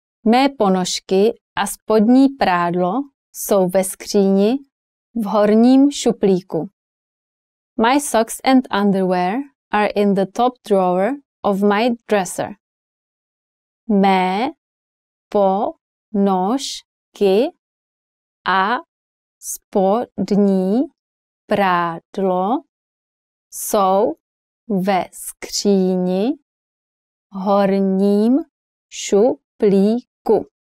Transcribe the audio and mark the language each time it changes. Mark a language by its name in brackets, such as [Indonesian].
[Czech] Mé ponožky a spodní prádlo jsou ve skříni v horním šuplíku. [English] My socks and underwear are in the top drawer of my dresser. [Czech] Mé ponožky a spodní prádlo jsou ve skříni horním šuplíku.